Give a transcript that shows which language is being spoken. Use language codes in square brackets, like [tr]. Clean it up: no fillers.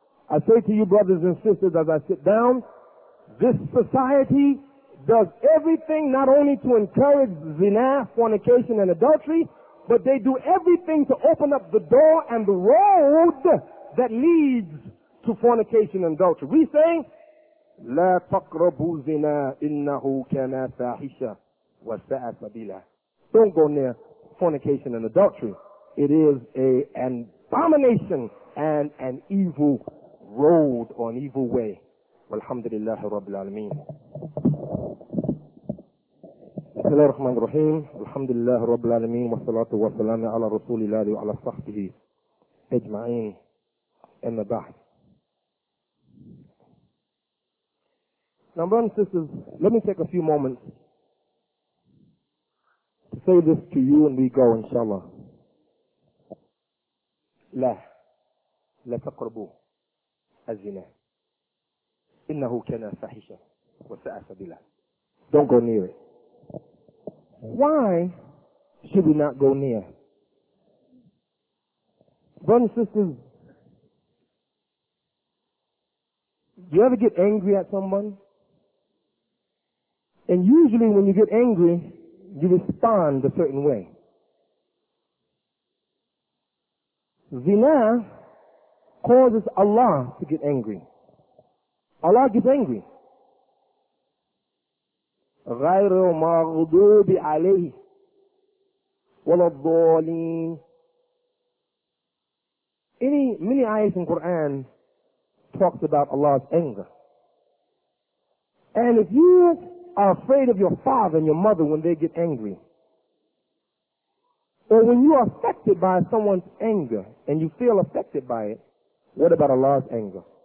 [en] I say to you, brothers and sisters, as I sit down, this society does everything not only to encourage zina, fornication, and adultery, but they do everything to open up the door and the road that leads to fornication and adultery. We say, [ar] لا تقربوا زنا إنه كان فاحشة وساء سبيلا. [en] Don't go near fornication and adultery. It is an abomination and an evil road or an evil way. [ar] والحمد لله رب العالمين. بسم الله الرحمن الرحيم الحمد لله رب العالمين والصلاة والسلام على رسول الله وعلى صحبه أجمعين أما بعد. [en] Now, brothers and sisters, let me take a few moments to say this to you and we go, inshallah. [ar] لا لا تقربوا الزنا إنه كان فاحشة وساء سبيلا. [en] Don't go near it. Why should we not go near? Brothers and sisters, do you ever get angry at someone? And usually when you get angry, you respond a certain way. Zina causes Allah to get angry. Allah gets angry. [ar] غير مغضوب عليه ولا الضالين. [en] Many ayahs in Quran talks about Allah's anger. And if you are afraid of your father and your mother when they get angry, or when you are affected by someone's anger and you feel affected by it, what about Allah's anger?